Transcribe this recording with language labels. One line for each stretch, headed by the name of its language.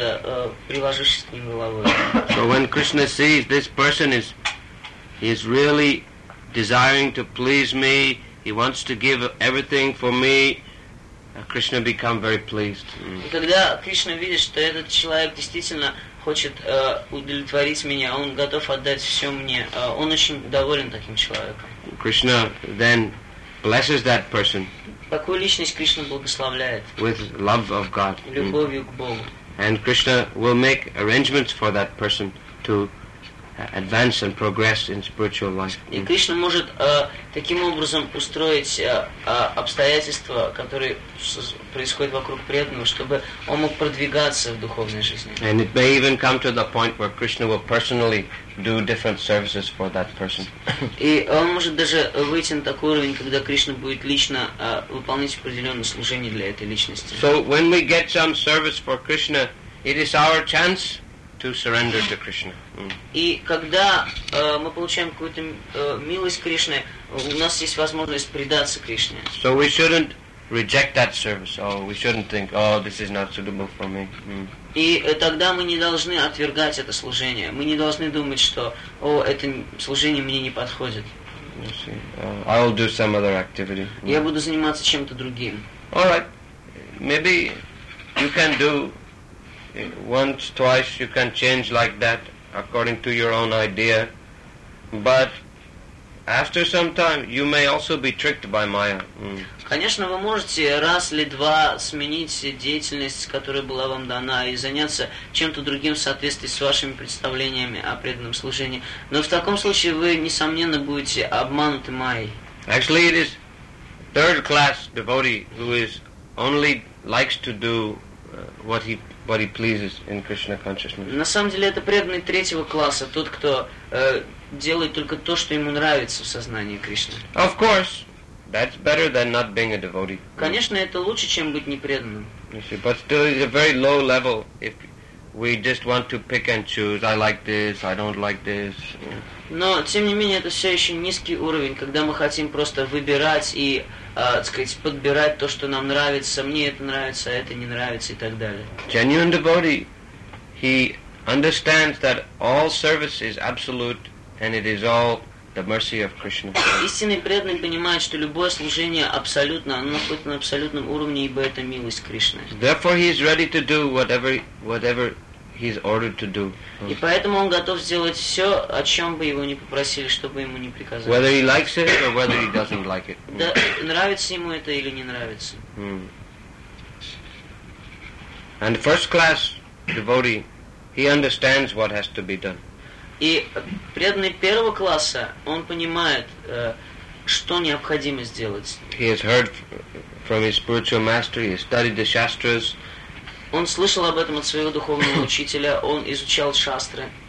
English: So when Krishna sees this person is really desiring to please me, he wants to give everything for me, Krishna become very pleased.
Russian: Когда Кришна видит, что этот человек действительно хочет удовлетворить меня, он готов отдать все мне, он очень доволен таким человеком.
English: Krishna then blesses that person.
Russian: Такую личность Кришна благословляет.
English: With love of God.
Russian: Любовью к Богу.
English: And Krishna will make arrangements for that person to advance and progress in spiritual life.
Russian: И Кришна может таким образом устроить обстоятельства, которые происходят вокруг преданного, чтобы он мог продвигаться в духовной жизни.
English: And it may even come to the point where Krishna will personally do different services for that person.
Russian: И он может даже выйти на такой уровень, когда Кришна будет лично выполнять определенное служение для этой личности.
English: So when we get some service for Krishna, it is our chance to surrender to Krishna.
Russian: И когда мы получаем какую-то милость Кришны, у нас есть возможность предаться Кришне.
English: So we shouldn't reject that service. Oh, we shouldn't think, oh, this is not suitable for me.
Russian: И тогда мы не должны отвергать это служение. Мы не должны думать, что, о, это служение мне не подходит.
English: I'll do some other activity.
Russian: Я буду заниматься чем-то другим.
English: All right. Maybe you can do once, twice, you can change like that according to your own idea. But after some time, you may also be tricked by Maya.
Russian: Конечно, вы можете раз или два сменить деятельность, которая была вам дана, и заняться чем-то другим в соответствии с вашими представлениями о преданном служении. Но в таком случае вы, несомненно, будете обмануты Майей.
English: Actually, it is third-class devotee who is only likes to do what he pleases in Krishna consciousness.
Russian: На самом деле это преданный третьего класса, тот, кто делает только то, что ему нравится в сознании Кришны.
English: Of course, that's better than not being a devotee.
Russian: Конечно, это лучше, чем быть непреданным.
English: But still, it's a very low level if we just want to pick and choose. I like this, I don't like this.
Russian: Но тем не менее это все еще низкий уровень, когда мы хотим просто выбирать и подбирать то, что нам нравится, мне это нравится, а это не нравится и так далее.
English: Genuine devotee, he understands that all service is absolute and it is all the mercy of Krishna.
Russian: Истинный преданный понимает, что любое служение абсолютно, оно находится на абсолютном уровне, ибо это милость Кришны.
English: Therefore he is ready to do whatever he is ordered to do.
Russian: И поэтому он готов сделать все, о чем бы его ни попросили, что бы ему ни приказали.
English: Whether he likes it or whether he doesn't like it.
Russian: Да, нравится ему это или не нравится.
English: And the first class devotee, he understands what has to be done.
Russian: И преданный первого класса, он понимает, что необходимо сделать.
English: He has heard from his spiritual master, he has studied the shastras.
Russian: Он слышал об этом от своего духовного учителя, он изучал шастры.